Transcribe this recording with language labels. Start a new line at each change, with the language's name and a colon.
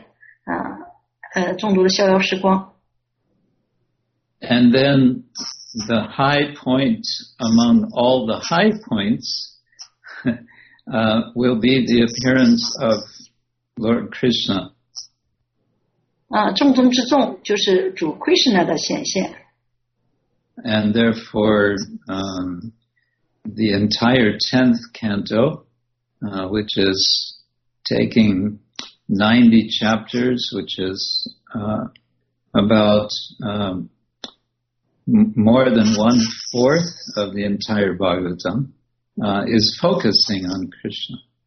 Chinese: 这个宇宙戏剧中的亮点内容就是主的众多的化身，众多的逍遥时光，这些化身的显现，众多的逍遥时光。
English: And then the high point among all the high points will be the appearance of Lord Krishna.
Chinese: 重中之重就是主 Krishna 的显现。
English: And therefore, the entire 10th canto, which is taking 90 chapters, which is about more than one fourth of the entire Bhagavatam, is focusing on Krishna.